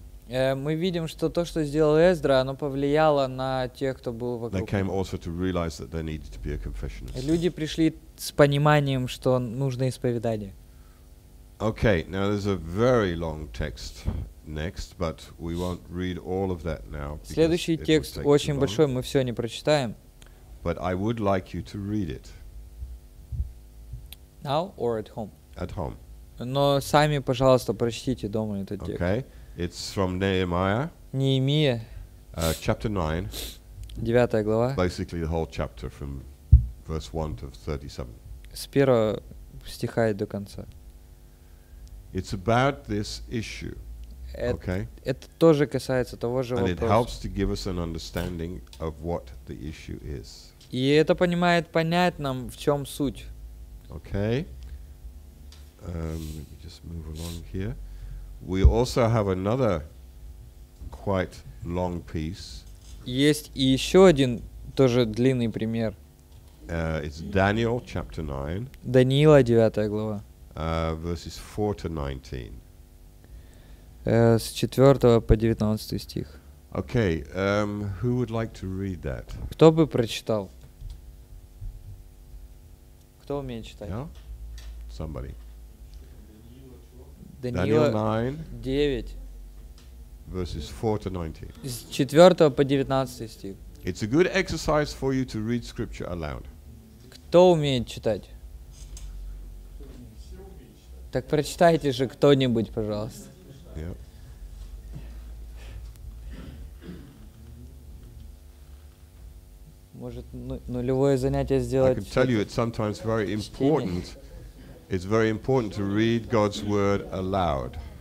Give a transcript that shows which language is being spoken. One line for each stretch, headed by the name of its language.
Russian: Мы видим, что то, что сделал Эзра, оно повлияло на тех, кто был вокруг. Люди пришли с пониманием, что нужно исповедание.
English: Okay, now there's a very long text next, but we won't read all of that now.
Russian: Следующий текст очень большой, мы все не прочитаем.
English: But I would like you to read it. Now or at home? At home.
Russian: Но сами, пожалуйста, прочтите дома этот текст.
English: Okay. It's from Nehemiah.
Russian: Неемия.
English: Chapter 9.
Russian: 9 глава.
English: Basically the whole chapter from verse 1 to 37.
Russian: С первого стиха до конца.
English: It's about this issue. Okay.
Russian: Это тоже касается того же вопроса.
English: And it helps to give us an understanding of what the issue is.
Russian: И это помогает понять нам, в чем суть.
English: Okay. Let me just move along here. We also have another quite long piece.
Russian: Есть и еще один тоже длинный пример.
English: It's Daniel chapter 9.
Russian: Даниила 9 глава.
English: Verses 4 to 19.
Russian: С 4 по 19 стих.
English: Okay, who would like to read that?
Russian: Кто бы прочитал? Кто умеет читать?
English: No? Somebody.
Russian: Даниила 9.
English: Verses 4 to 19.
Russian: С 4 по 19 стих.
English: It's a good exercise for you to read scripture aloud.
Russian: Кто умеет читать? Так прочитайте же кто-нибудь, пожалуйста.
English: Yep.
Russian: Может, нулевое занятие сделать?
English: I can tell you it's sometimes very important. It's very important to read God's word aloud.